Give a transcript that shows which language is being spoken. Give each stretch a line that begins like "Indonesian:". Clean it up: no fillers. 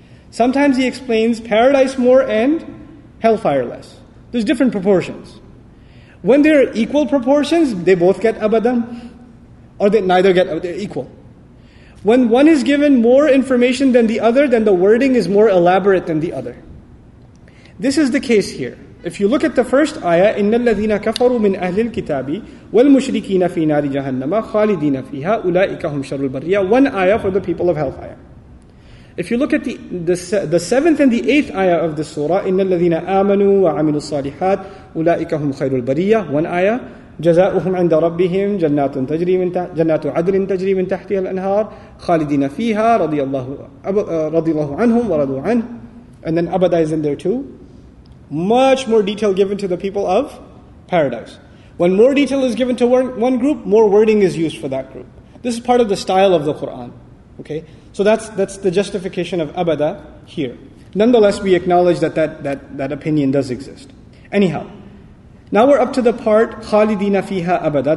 English: Sometimes He explains paradise more and hellfire less. There's different proportions. When they're equal proportions, they both get abadan. Or they neither get, they're equal. When one is given more information than the other, then the wording is more elaborate than the other. This is the case here. If you look at the first ayah,
Arabic: إِنَّ الَّذِينَ كَفَرُوا مِنْ أَهْلِ الْكِتَابِ وَالْمُشْرِكِينَ فِي نَارِ جَهَنَّمَ خَالِدِينَ فِيهَا أُولَٰئِكَ هُمْ شَرُّ الْبَرِّيَةِ.
English: One ayah for the people of hellfire. If you look at the seventh and the eighth ayah of the surah,
Arabic: إِنَّ الَّذِينَ آمَنُوا وَعَمِلُوا الصَّالِحَاتِ أُولَٰئِكَ هُمْ خَيْرُ الْبَرِّيَةِ.
English: One ayah.
Arabic: جزاؤهم عند ربهم جنات عدل تجري من تحتها الأنهار خالدين فيها رضي الله عنهم ورضوا عنه.
English: And then Abada is in there too. Much more detail given to the people of paradise. When more detail is given to one group, more wording is used for that group. This is part of the style of the Quran. Okay, so that's the justification of Abada here. Nonetheless, we acknowledge that opinion does exist. Anyhow, now we're up to the part
Arabic: خَالِدِينَ فِيهَا أَبَدًا.